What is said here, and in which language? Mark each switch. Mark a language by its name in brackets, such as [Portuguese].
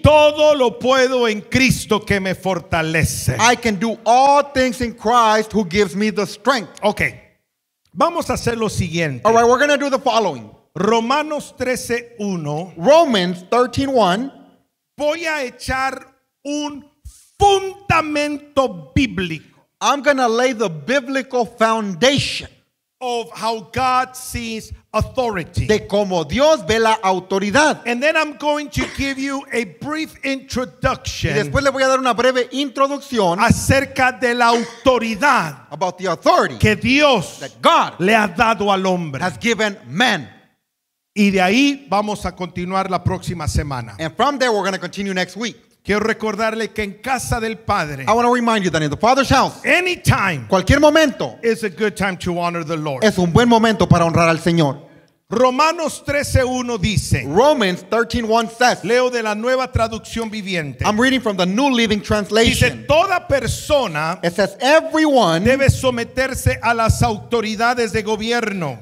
[Spanish] Todo lo puedo en Cristo que me fortalece. [English] I can do all things in Christ who gives me the strength. [Spanish] Okay. Vamos a hacer lo siguiente. [English] All right, we're going to do the following. [Spanish] Romanos 13:1. [English] Romans 13:1. [Spanish] Voy a echar un fundamento bíblico. [English] I'm going to lay the biblical foundation of how God sees authority. [Spanish] De cómo Dios ve la autoridad. [English] And then I'm going to give you a brief introduction. [Spanish] Y después le voy a dar una breve introducción acerca de la autoridad. [English] About the authority [Spanish] que Dios [English] that God [Spanish] le ha dado al hombre. [English] Has given man. [Spanish] Y de ahí vamos a continuar la próxima semana. [English] And from there we're going to continue next week. [Spanish] Quiero recordarle que en casa del Padre. [English] I want to remind you that in the Father's house. Anytime. [Spanish] Cualquier momento. [English] Is a good time to honor the Lord. [Spanish] Es un buen momento para honrar al Señor. Romanos 13:1 dice. [English] Romans 13:1 says. [Spanish] Leo de la Nueva Traducción Viviente. [English] I'm reading from the New Living Translation. [Spanish] Dice toda persona. [English] It says everyone. [Spanish] Debe someterse a las autoridades de gobierno.